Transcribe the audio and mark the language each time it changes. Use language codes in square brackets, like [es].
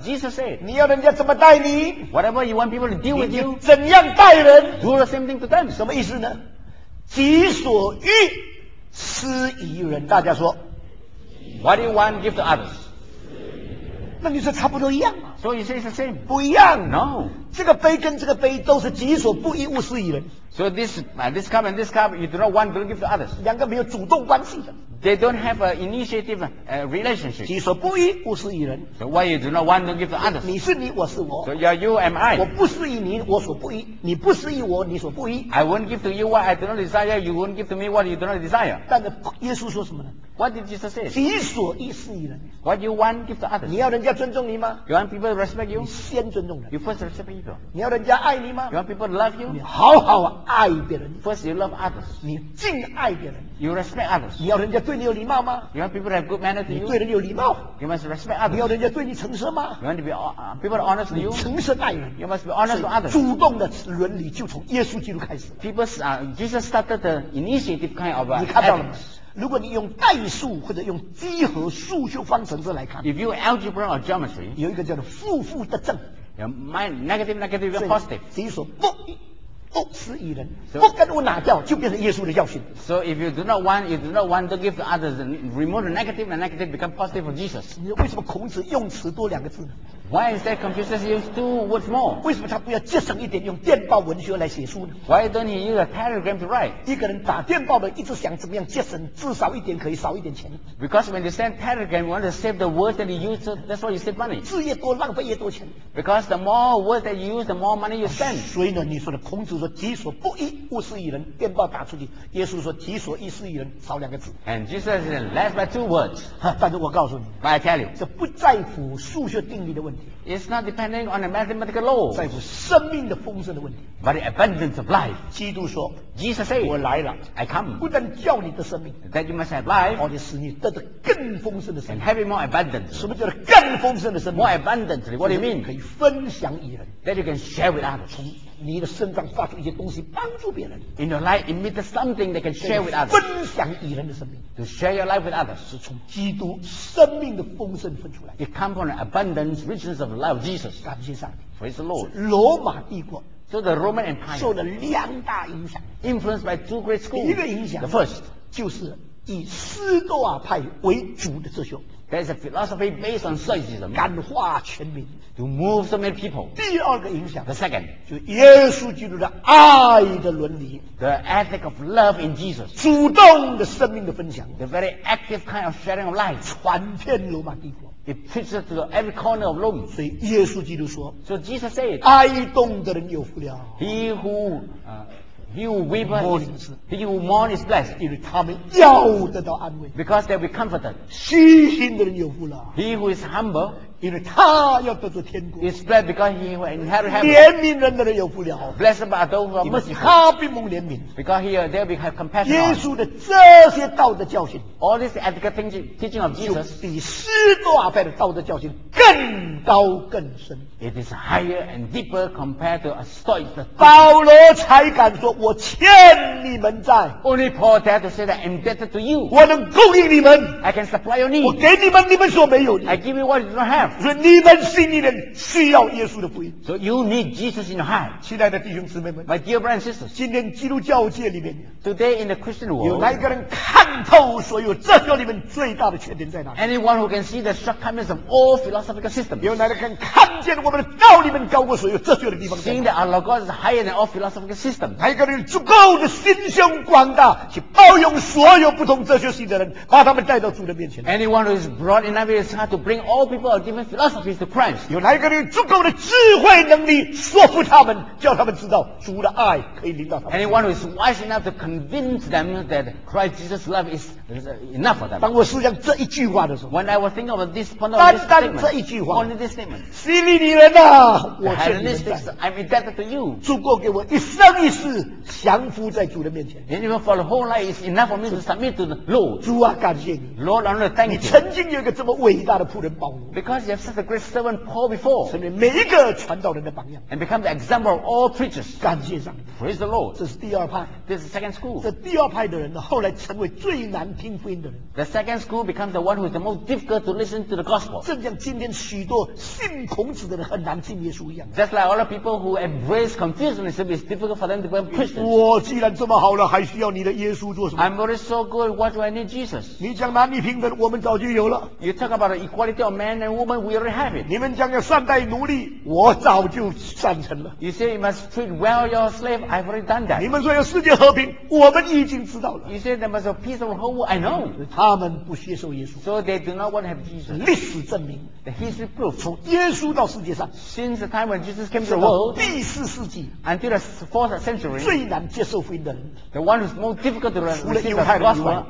[en] Jesus said. [zh] 你要人家怎么待你？ [en] Whatever you want people to deal with you. [zh] 你怎样待人？ [en] Do the same thing to them. [zh] 什么意思呢？己所欲，施于人。大家说。 [en] What do you want to give to others? [zh] 那你说差不多一样 [en] 吗？So you say it's the same. [zh] 不一样。 [en] No. [zh] 这个杯跟这个杯都是己所不欲，勿施于人。 [en] So this cup and this cup, you do not want to give to others. [zh] 两个没有主动关系的。 [en] They don't have an initiative relationship. [zh] 己所不欲，勿施于人。 [en] So why you do not want to give to others? [zh] 你是你，我是我。 [en] So you are you, am I. [zh] 我不施于你，我所不欲。你不施于我，你所不欲。 [en] I won't give to you what I do not desire. You won't give to me what you do not desire. [zh] 但是耶稣说什么呢？ [en] What did Jesus say? [zh] 己所欲施于人。 [en] What you want, give to others. [zh] 你要人家尊重你吗？ [en] You want people to respect you? [zh] 你先尊重人。 [en] You first respect people. [zh] 你要人家爱你吗？ [en] You want people to love you? [zh] 你好好爱别人。 [en] First you love others. [zh] 你敬爱别人。 [en] You respect others. [zh] 你要人家对你有礼貌吗？ [en] You want people to have good manner to you? [zh] 你对人有礼貌。 [en] You must respect others. [zh] 你要人家对你诚实吗？ [en] You want to be people honest to you? [zh] 诚实待人。 [en] You must be honest to others. [zh] 主动的伦理就从耶稣基督开始。 [en] Jesus started the initiative kind of ethics. [zh] 你看到了吗？如果你用代数或者用几何数学方程式来看 [en] ，If you algebra or geometry， [zh] 有一个叫做负负得正 [en] ，negative negative or positive， [zh] 己所不欲，勿施于人， so, 不跟我拿掉，就变成耶稣的教训。 [en] So if you do not want， you do not want to give to others， remove the negative， and negative become positive for Jesus。 [zh] 为什么孔子用词多两个字呢？ [en] Why is that Confucius use two words more？ [zh] 为什么他不要节省一点，用电报文学来写书呢？ [en] Why don't he use a telegram to write？ [zh] 一个人打电报的，一直想怎么样节省，至少一点可以少一点钱。 [en] Because when you send telegram, you want to save the words that you use, that's why you save money。 [zh] 字越多，浪费越多钱。 [en] Because the more words that you use, the more money you spend。 [zh] 所以呢，你说的孔子说己所不欲，勿施于人。电报打出去，耶稣说己所欲施于人，少两个字。 [en] And Jesus said less by two words。 [zh] 但是我告诉你 [en] ，But I tell you， [zh] 这不在乎数学定律的问题。 [en] It's not depending on the mathematical law. [zh] 在乎生命的丰盛的问题。 [en] But the abundance of life. [zh] 基督说 [en] ，Jesus said， [zh] 我来了 [en] ，I come。 [zh] 不但叫你的生命 [en] ，That you must have life， [zh] 而且使你得到更丰盛的生命 [en] ，and having more abundance。 [zh] 什么叫做更丰盛的生命 [en] ？More abundantly。 What do you mean？ [zh] 可以分享与人 [en] ，That you can share with others。 [zh] 从你的身上发出一些东西帮助别人。 [en] In your life, emit something that can share with others。 [zh] 分享与人的生命。 [en] To share your life with others， [zh] 是从基督生命的丰盛分出来。 [en] It comes from the abundance, richness of the life of Jesus。 [zh] 感谢上帝。 [en] Praise the Lord。 [zh] 罗马帝国。 [en] So the Roman Empire。 [zh] 受了两大影响。 [en] Influenced by two great schools。 [zh] 一个影响。 [en] The first。 [zh] 就是以斯多亚派为主的哲学。 [en] There is a philosophy based on Stoicism. [zh] 感化全民 [en] to move so many people. [zh] 第二个影响 [en] the second [zh] 就耶稣基督的爱的伦理 [en] the ethic of love in Jesus. [zh] 主动的生命的分享 [en] the very active kind of sharing of life. [zh] 传遍罗马帝国 [en] it preaches to every corner of Rome. [zh] 所以耶稣基督说 [en] so Jesus said, [zh] 哀恸的人有福了 [en] He who He who weeps, he who mourns is blessed. [zh] 他们要得到安慰。 [en] Because they'll be comforted. [zh] 虚心的人有福了。 [en] He who is humble, [zh] 因为他要得到天国。 [en] Is blessed because he will inherit heaven. [zh] 怜悯人的人有福了。 [en] Blessed by those who are merciful. [zh] 他必蒙怜悯。 [en] Because he there will have compassion. [zh] 耶稣的这些道德教训。 [en] All this ethical teaching of Jesus. [zh] 就比施大费的道德教训更高更深。 [en] It is higher and deeper compared to a stoic. [zh] 保罗才敢说我欠你们债。 [en] Only Paul dared to say that I'm indebted to you. [zh] 我能供应你们。 [en] I can supply your need. [zh] 我给你们，你们所没有的。 [en] I give you what you don't have. [zh] 所以你们心里面需要耶稣的福音。 [en] So you need Jesus in your heart. [zh] 亲爱的弟兄姊妹们。 [en] My dear brothers and sisters. [zh] 今天基督教界里面。 [en] Today in the Christian world. [zh] 有哪一个人看透所有哲学里面最大的缺点在哪里？ [en] Anyone who can see the shortcomings of all philosophical systems. [zh] 有哪一个人看见我们的道里面高过所有哲学的地方？ [en] Seeing that our logos is higher than all philosophical systems. [zh] 哪一个人有足够的心胸广大去包容所有不同哲学系的人，把他们带到主的面前？ [en] Anyone who is broad enough in his heart to bring all people of different philosophies to Christ. [zh] 有哪一个人有足够的智慧能力说服他们，叫他们知道主的爱可以临到他们？ [en] Anyone who is wise enough to convince them that Christ Jesus' love is enough for them. [zh] 当我思想这一句话的时候， [en] When I was thinking of this point of this statement, [zh] 单单这一句话， [en] only this statement. [zh] 希利尼人啊，我欠你们债。 [en] I'm indebted to you. [zh] 足够给我一生一世降服在主的面前。 [en] And even for the whole life is enough for me to submit to the Lord. [zh] 主啊，感谢你。 [en] Lord, I want to thank you. [zh] 你曾经有一个这么伟大的仆人保罗。 [en] Because you have such a great servant Paul before. [zh] 成为每一个传道人的榜样。 [en] And become the example of all preachers. [zh] 感谢上帝。 [en] Praise the Lord. [zh] 这是第二派。 [en] This is the second school. [zh] 这第二派的人后来成为最难听福音的人。 [en] The second school becomes the one who is the most difficult to listen to the gospel. [zh] 正像今天许多信孔子的人很难信耶稣一样。 [en] Just like all the people who embrace Confucianism, it's difficult for them to become Christians. [zh] 我既然这么好了，还需要你的耶稣做什么？ [en] I'm already so good. What do I need Jesus? [zh] 你讲男女平等，我们早就有了。 [en] You talk about the equality of man and woman, we already have it. [zh] 你们讲要善待奴隶，我早就善成了。 [en] You say you must treat well your slave, I've already done that. [zh] 你们说要世界和平，我们已经知道了。 [en] You say there must be peace of home, I know. [zh] 他们不接受耶稣。 [en] So they do not want to have Jesus. [zh] 历史证明。 [en] The history proves. [zh] 从耶稣到世界上。 [en] Since the time when Jesus came to the world. [zh] 第四世纪。 [en] Until the fourth century. [zh] 最难接受福音的人。 [en] The one who's most difficult to receive the gospel.